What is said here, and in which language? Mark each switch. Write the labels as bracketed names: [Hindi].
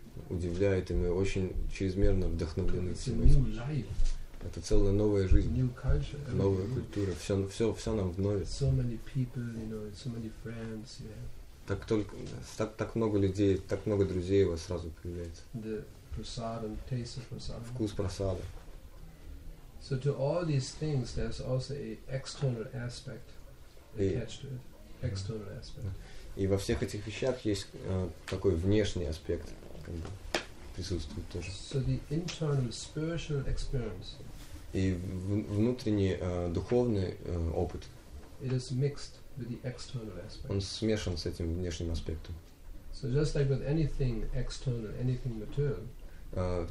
[Russian] Удивляет, и мы очень чрезмерно вдохновлены. [English] It's a new life. [Russian] Это целая новая жизнь, [English] new culture, [Russian] новая культура, все нам вновь. [English] So many people, you know, so many friends, yeah. [Russian] Так много людей, так много друзей у вас сразу появляется. [English] The prasad and taste of prasad. [Russian] Вкус прасада. [English] So to all these things, there's also a external aspect attached to it. External aspect. [Russian] И во всех этих вещах есть такой внешний аспект. Как бы. Присутствует тоже. [English] So the internal spiritual experience. [Russian] И внутренний духовный опыт. [English] It is mixed with the external aspect. [Russian] Он смешан с этим внешним аспектом. [English] So just like with anything external, anything material.